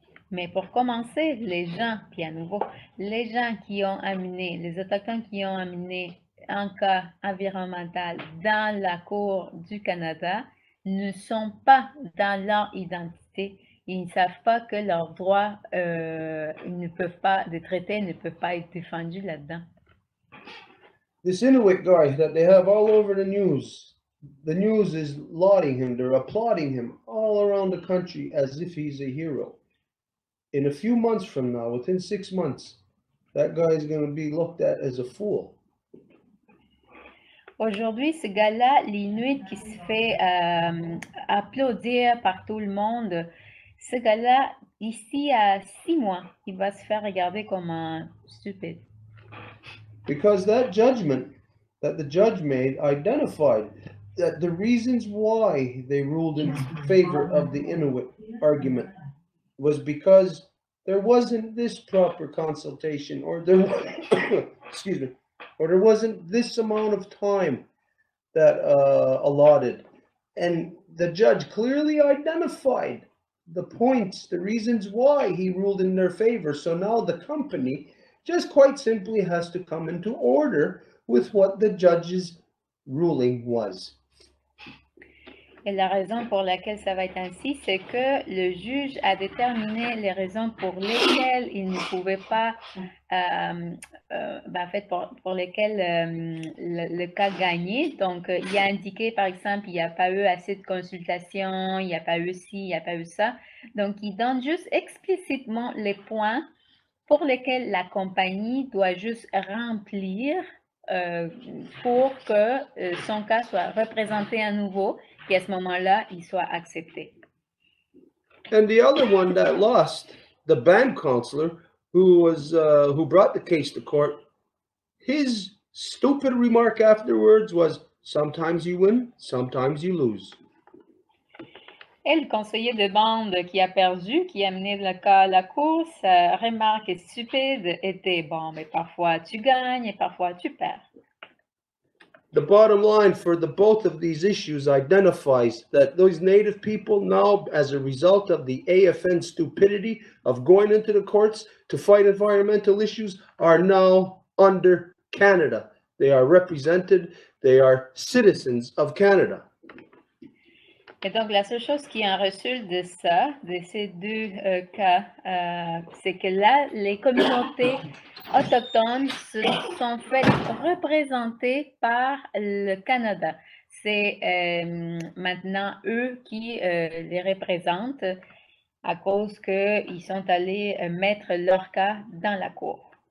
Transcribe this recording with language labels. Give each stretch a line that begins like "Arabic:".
French: Mais pour commencer, les gens, puis à nouveau, les gens qui ont amené, les Autochtones qui ont amené un cas environnemental dans la Cour du Canada ne sont pas dans leur identité. Ils ne savent pas que leurs droits ne peuvent pas, des traités ne peuvent pas être défendus là-dedans.
English: This Inuit guy that they have all over the news is lauding him, they're applauding him all around the country as if he's a hero. In a few months from now, within 6 months, that guy is going to be looked at as a fool.
French: Aujourd'hui, ce gars-là, l'Inuit qui se fait applaudir par tout le monde, ce gars-là, ici, à 6 mois, il va se faire regarder comme un stupide.
English: Because that judgment that the judge made identified that the reasons why they ruled in favor of the Inuit argument was because there wasn't this proper consultation or there excuse me, or there wasn't this amount of time that allotted. And the judge clearly identified the points, the reasons why he ruled in their favor. So now the company just quite simply has to come into order with what the judge's ruling was.
French: Et la raison pour laquelle ça va être ainsi, c'est que le juge a déterminé les raisons pour lesquelles il ne pouvait pas, le cas gagner. Donc, il a indiqué, par exemple, il n'y a pas eu assez de consultations, il n'y a pas eu ci, il n'y a pas eu ça. Donc, il donne juste explicitement les points pour lesquels la compagnie doit juste remplir pour que son cas soit représenté à nouveau. Et à ce moment-là, il soit accepté.
English: And the other one that lost, the band counselor who brought the case to court, his stupid remark afterwards was, sometimes you win, sometimes you lose.
French: Et le conseiller de bande qui a perdu, qui a mené le cas à la cour, sa remarque est stupide était, bon, mais parfois tu gagnes et parfois tu perds.
English: The bottom line for the both of these issues identifies that those native people now, as a result of the AFN stupidity of going into the courts to fight environmental issues, are now under Canada. They are represented, they are citizens of Canada.
French: Et donc la seule chose qui en résulte de ça, de ces deux cas, c'est que là, les communautés autochtones se sont faites représenter par le Canada. C'est maintenant eux qui les représentent à cause qu'ils sont allés mettre leur cas dans la cour.